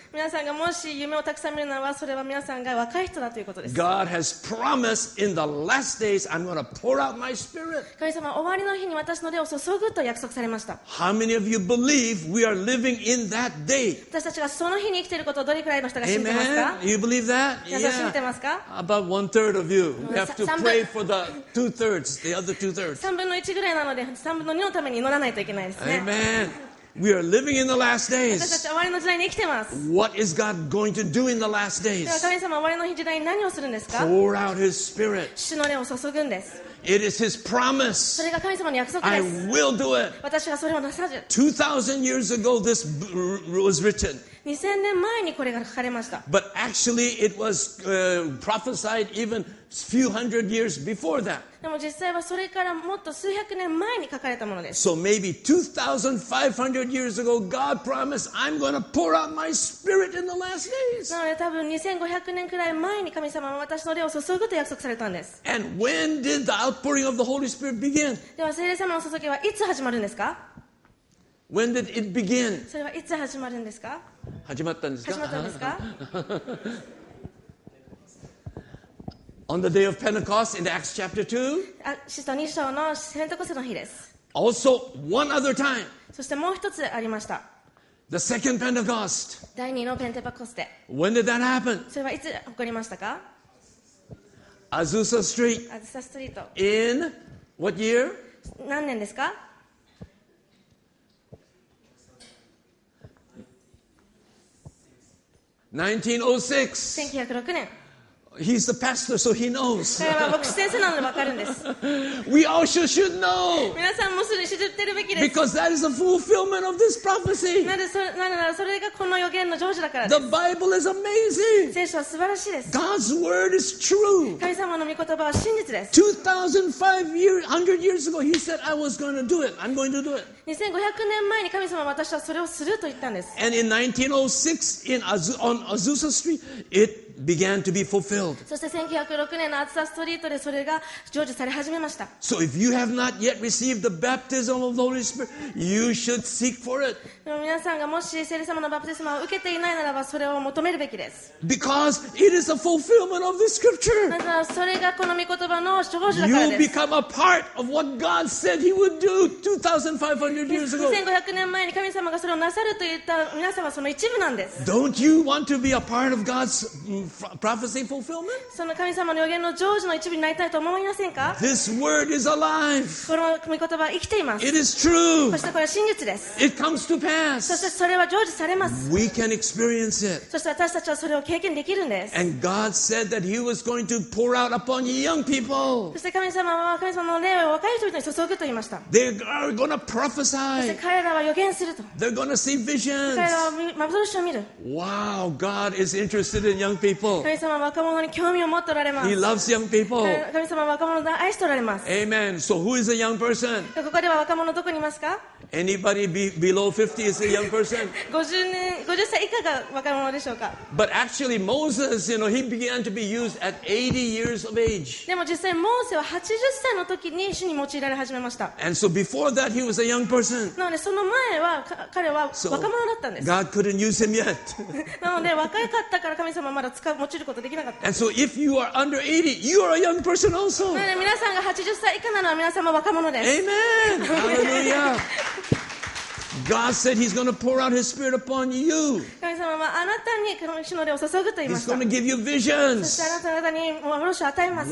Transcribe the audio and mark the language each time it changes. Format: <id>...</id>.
<ja>皆さんがもし夢をたくさん見るならば、それは皆さんが若い人だということです。</ja> <en>God has promised in the last days, I'm going to pour out my spirit.</en> <ja>神様は終わりの日に私の霊を注ぐと約束されました。</ja> <en>How many of you believe we are living in that day?</en> <ja>私たちがその日に生きていることをどれくらいの人が信じてますか？</ja> <en>Amen. You believe that?</en> <ja>Yeah. 信じてますか？</ja> <en>About one third of you. We have to pray for the two thirds, the other two thirds.</en> <ja>三分の一ぐらいなので、三分の二のために祈らないといけないですね。</ja> <en>Amen. We are living in the last days.</en> <ja>私たちは終わりの時代に生きてます。</ja> <en>What is God going to do in the last days?</en> <ja>では神様は終わりの時代に何をするんですか？</ja> <en>Pour out His Spirit.</en> <ja>主の霊を注ぐんです。</ja> <en>It is His promise.</en> <ja>それが神様の約束です。</ja> <en>I will do it.</en> <ja>私はそれをなさる。</ja> <en>2000 years ago, this was written.</en> <ja>2000年前にこれが書かれました。</ja> <en>But actually, it was prophesied even few hundred years before that.</en> <ja>でも実際はそれからもっと数百年前に書かれたものです。</ja> <en>So maybe 2,500 years ago, God promised, I'm going to pour out my spirit in the last days.</en> <ja>なので多分2500年くらい前に神様は私の霊を注ぐと約束されたんです。</ja> <en>And when did the outpouring of the Holy Spirit begin?</en> <ja>では聖霊様の注ぎはいつ始まるんですか？</ja> <en>When did it begin?</en> <ja>それはいつ始まるんですか？始まったんですか？始まったんですか？</ja> <en>On the day of Pentecost in Acts chapter 2.</en> <ja>使徒2章のペンテコステの日です。</ja> <en>Also, one other time.</en> <ja>そしてもう一つありました。</ja> <en>The second Pentecost.</en> <ja>第二のペンテパコステ。</ja> <en>When did that happen?</en> <ja>それはいつ起こりましたか？</ja> <en>Azusa Street.</en> <ja>アズサストリート。</ja> <en>In what year?</en> <ja>何年ですか？ 1906年。</ja> <en>He's the pastor, so he knows.</en> <ja>彼は牧師先生なので分かるんです。</ja> <en>We also should know.</en> <ja>皆さんもそれ知ってるべきです。</ja> <en>Because that is the fulfillment of this prophecy.</en> <ja>なぜならそれがこの予言の成就だからです。</ja> <en>The Bible is amazing.</en> <ja>聖書は素晴らしいです。</ja> <en>God's word is true.</en> <ja>神様の御言葉は真実です。</ja> <en>2500 years ago, he said, I was going to do it. I'm going to do it.</en> <ja>2500年前に神様は私はそれをすると言ったんです。</ja> <en>And in 1906, on Azusa Street, itBegan to be fulfilled.</en> <ja>そして1906年のアツサストリートでそれが成就され始めました。</ja> <en>So if you have not yet received the baptism of the Holy Spirit, you should seek for it.</en> <ja>皆さんがもし聖霊様のバプテスマを受けていないならばそれを求めるべきです。</ja> <en>Because it is a fulfillment of the Scripture.</en> <ja>なぜならそれがこの御言葉の成就だからです。</ja> <en>You become a part of what God said He would do 2,500 years ago.</en> <ja>2500年前に神様がそれをなさると言った皆さんはその一部なんです。</ja> <en>Don't you want to be a part of God's prophecy fulfillment?</en> <ja>その神様の予言の成就の一部になりたいと思いませんか?</ja> <en>This word is alive.</en> <ja>この御言葉は生きています。</ja> <en>It is true.</en> <ja>そしてこれは真実です。</ja> <en>It comes to pass.</en> <ja>そしてそれは成就されます。</ja> <en>We can experience it.</en> <ja>そして私たちはそれを経験できるんです。</ja> <en>And God said that He was going to pour out upon young people.</en> <ja>そして神様は神様の霊を若い人々に注ぐと言いました。</ja> <en>They are going to prophesy.</en> <ja>そして彼らは予言すると。</ja> <en>They're going to see visions.</en> <ja>彼らは幻を見る。</ja> <en>Wow, God is interested in young people.</en> <ja>神様は若者に興味を持っておられます。</ja> <en>He loves young people.</en> <ja>神様は若者を愛しておられます。</ja> <en>Amen. So who is a young person?</en> <ja>ここでは若者どこにいますか?</ja> <en>Anybody below 50 is a young person.</en> <ja>50歳以下が若者でしょうか?</ja> <en>But actually, Moses, you know, he began to be used at 80 years of age.</en> <ja>でも実際モーセは80歳の時に主に用いられ始めました。</ja> <en>And so before that, he was a young person.</en> <ja>なのでその前は彼は若者だったんです。</ja> <en>God couldn't use him yet.</en> <ja>なので若かったから神様はまだ用いることができなかった。</ja> <en>And so if you are under 80, you are a young person also.</en> <ja>なので皆さんが80歳以下なのは皆様若者です。</ja> <en>Amen. Hallelujah. God said He's going to pour out His Spirit upon you.</en> <ja>神様はあなたに主の霊を注ぐと言いました。</ja> <en>He's going to give you visions.</en> <ja>そしてあなたに幻を与えます。</ja>